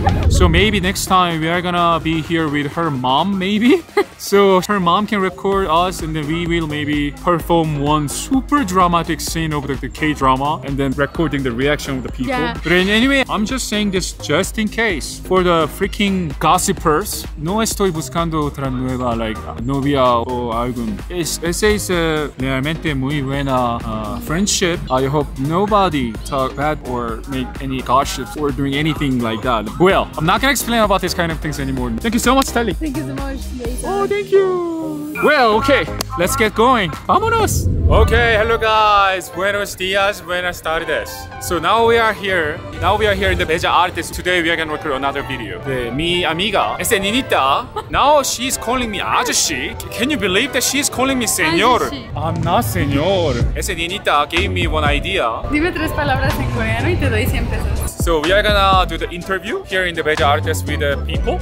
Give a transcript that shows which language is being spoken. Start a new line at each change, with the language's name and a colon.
English: So maybe next time we are gonna be here with her mom, maybe. So her mom can record us and then we will maybe perform one super dramatic scene of the K-drama and then recording the reaction of the people. Yeah. But anyway, I'm just saying this just in case for the freaking gossipers.
Spanish: No estoy buscando otra nueva like novia o algún. Esa es realmente muy buena friendship.
English: I hope nobody talk bad or make any gossip or doing anything like that. Well, I'm not gonna explain about these kind of things anymore. Thank you so much, Tali. Thank you so much. Thank you. Well, okay, let's get going. Vámonos. Okay, hello guys.
Spanish: Buenos dias, buenas tardes.
English: So now we are here. Now we are here in the Beja Artist. Today we are gonna record another video. The
Spanish: mi amiga,
English: es de Ninita. Now she's calling me ajushi. Can you believe that she's calling me señor? I'm not señor. Es de Ninita gave me one idea.
Spanish: Dime tres palabras en coreano y te doy 100 pesos.
English: So we are gonna do the interview here in the Beja Artist with the people.